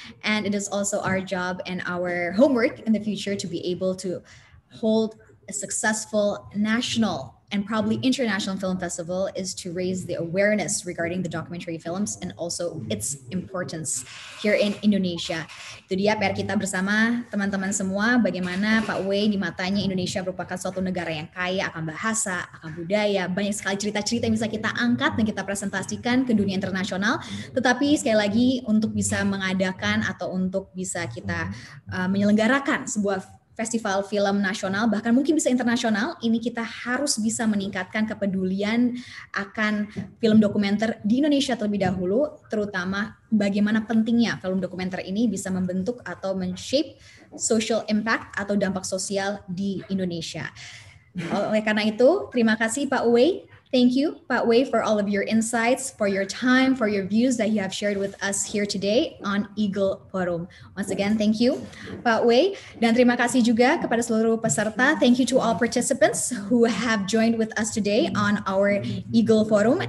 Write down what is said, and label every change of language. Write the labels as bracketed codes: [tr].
[en] And it is also our job and our homework in the future to be able to hold a successful national and probably international film festival is to raise the awareness regarding the documentary films and also its importance here in Indonesia. [id] Itu dia PR kita bersama teman-teman semua, bagaimana Pak Wei di matanya Indonesia merupakan suatu negara yang kaya akan bahasa, akan budaya, banyak sekali cerita-cerita yang bisa kita angkat dan kita presentasikan ke dunia internasional. Tetapi sekali lagi, untuk bisa mengadakan atau untuk bisa kita menyelenggarakan sebuah festival film nasional, bahkan mungkin bisa internasional, ini kita harus bisa meningkatkan kepedulian akan film dokumenter di Indonesia terlebih dahulu, terutama bagaimana pentingnya film dokumenter ini bisa membentuk atau men-shape social impact atau dampak sosial di Indonesia. Oleh karena itu, terima kasih Pak Wei. [en] Thank you, Pak Wei, for all of your insights, for your time, for your views that you have shared with us here today on Eagle Forum. Once again, thank you, Pak Wei. [id] Dan terima kasih juga kepada seluruh peserta. [en] Thank you to all participants who have joined with us today on our Eagle Forum.